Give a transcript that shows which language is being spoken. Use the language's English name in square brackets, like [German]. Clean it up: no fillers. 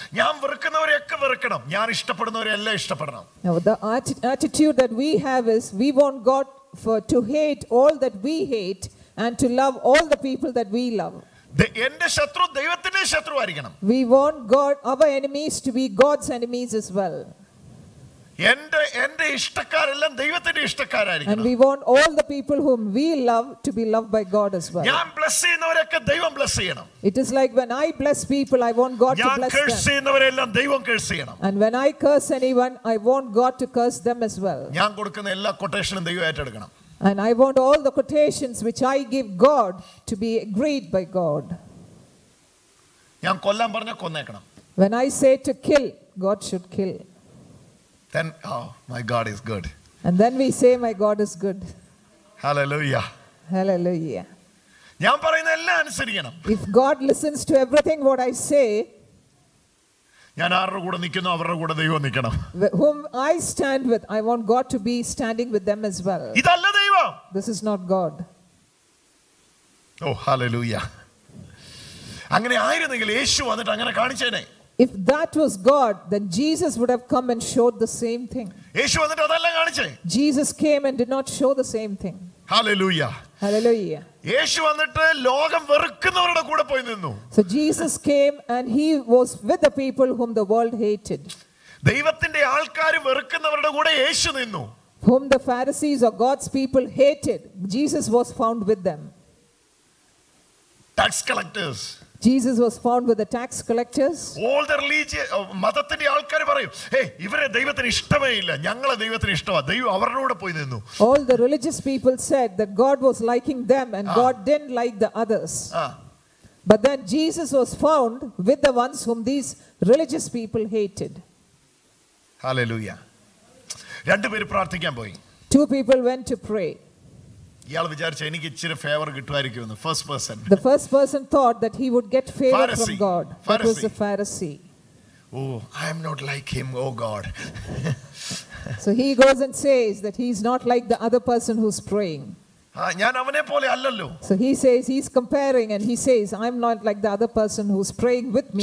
[Malayalam] ഞാൻ വെറുക്കുന്നവരെയൊക്കെ വെറുക്കണം, ഞാൻ ഇഷ്ടപ്പെടുന്നവരെ എല്ലാം ഇഷ്ടപ്പെടണം. [English] Now the attitude that we have is we want God to hate all that we hate and to love all the people that we love. [Malayalam] എന്റെ ശത്രു ദൈവത്തിന്റെ ശത്രു ആയിരിക്കണം. [English] We want God our enemies to be God's enemies as well. [Malayalam] എന്റെ ഇഷ്ടക്കാരെല്ലാം ദൈവത്തിന്റെ ഇഷ്ടക്കാരായിരിക്കണം. [English] And we want all the people whom we love to be loved by God as well. [Malayalam] ഞാൻ bless ചെയ്യുന്നവരൊക്കെ ദൈവം bless ചെയ്യണം. [English] It is like when I bless people I want God to bless them. [Malayalam] ഞാൻ curse ചെയ്യുന്നവരെല്ലാം ദൈവം curse ചെയ്യണം. [English] And when I curse anyone I want God to curse them as well. [Malayalam] ഞാൻ കൊടുക്കുന്ന എല്ലാ കൊട്ടേഷനും ദൈവം ഏറ്റെടുക്കണം. [English] And I want all the quotations which I give God to be agreed by God. [Malayalam] ഞാൻ കൊല്ലാൻ പറഞ്ഞാൽ കൊന്നേക്കണം. [English] When I say to kill, God should kill. Then, oh, my God is good. And then we say, my God is good. Hallelujah. Hallelujah. [Malayalam] ഞാൻ പറയുന്നതെല്ലാം അനുസരിക്കണം. [English] If God listens to everything what I say, [Malayalam] ഞാൻ ആരുടെ കൂടെ നിൽക്കുന്നു അവരുടെ കൂടെ ദൈവം നിൽക്കണം. [English] Whom I stand with, I want God to be standing with them as well. [Malayalam] ഇതല്ല ദൈവം. [English] This is not God. Oh, hallelujah. [Malayalam] അങ്ങനെ ആയിരുന്നെങ്കിൽ യേശു വന്നിട്ട് അങ്ങനെ കാണിച്ചേനെ. [English] If that was God, then Jesus would have come and showed the same thing. [Malayalam] യേശു വന്നിട്ട് അതല്ല കാണിച്ചേ. [English] Jesus came and did not show the same thing. Hallelujah. Hallelujah. [Malayalam] യേശു വന്നിട്ട് ലോകം വെറുക്കുന്നവരുടെ കൂടെ പോയി നിന്നു. [English] So Jesus came and he was with the people whom the world hated. [Malayalam] ദൈവത്തിന്റെ ആൾക്കാരെ വെറുക്കുന്നവരുടെ കൂടെ യേശു നിന്നു. [English] Whom the Pharisees or God's people hated, Jesus was found with them. Tax collectors. Jesus was found with the tax collectors. All the religious [Malayalam] മതത്തിന്റെ ആൾക്കാർ പറയും, "ഹേ, ഇവരെ ദൈവത്തിന് ഇഷ്ടമേ ഇല്ല. ഞങ്ങളെ ദൈവത്തിന് ഇഷ്ടമാ. ദൈവം അവരുടെ കൂടെ പോയി നിന്നു." [English] All the religious people said that God was liking them and God didn't like the others. But then Jesus was found with the ones whom these religious people hated. [Malayalam] Hallelujah. രണ്ട് പേര് പ്രാർത്ഥിക്കാൻ പോയി. [English] Two people went to pray. [Malayalam] ഇയാൾ വിചാരിച്ച എനിക്ക് ഇച്ചിരി favour കിട്ടുമായിരിക്കും. [English] The first person thought that he would get favor from God. That was the Pharisee. Oh, I am not like him, oh God. So he goes and says that he is not like the other person who's praying. [Malayalam] ഞാൻ അവനെ പോലെ അല്ലല്ലോ. [English] So he says, he's comparing and he says, I'm not like the other person who's praying with me.